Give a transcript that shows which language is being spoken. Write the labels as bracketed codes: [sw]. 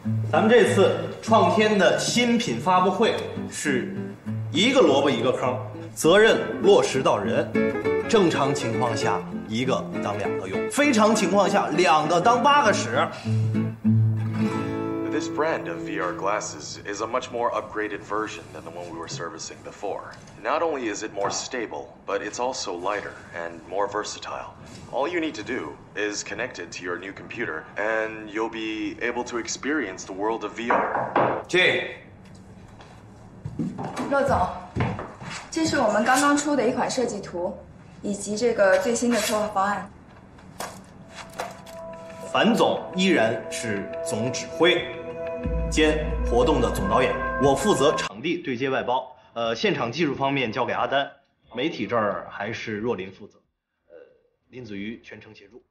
[zh] 咱们这次创天的新品发布会是一个萝卜一个坑，责任落实到人，正常情况下一个当两个用，非常情况下两个当八个使。 [en] This brand of VR glasses is a much more upgraded version than the one we were servicing before. Not only is it more stable, but it's also lighter and more versatile. All you need to do is connect it to your new computer, and you'll be able to experience the world of VR. [zh] 进。骆总，这是我们刚刚出的一款设计图，以及这个最新的策划方案。樊总依然是总指挥兼活动的总导演，我负责场地对接外包，现场技术方面交给阿丹，媒体这儿还是若琳负责，林子瑜全程协助。